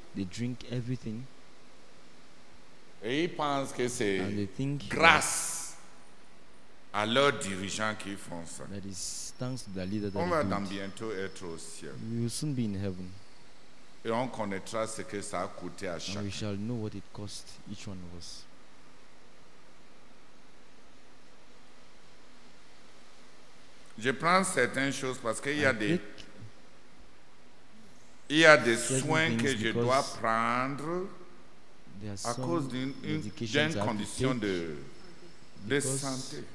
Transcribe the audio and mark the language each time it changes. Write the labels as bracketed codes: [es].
[en] They drink everything. [fr] Et ils pensent que c'est [en] and they think [fr] grâce à leurs dirigeants qu'ils font ça. [en] That is thanks to the leader that [fr] on va dans bientôt être au ciel. [en] We will soon be in heaven. [fr] Et on connaîtra ce que ça a coûté à chacun. [en] We shall know what it cost each one of us. [fr] Je prends certaines choses parce qu'il y a des soins que je dois prendre à cause d'une condition de santé.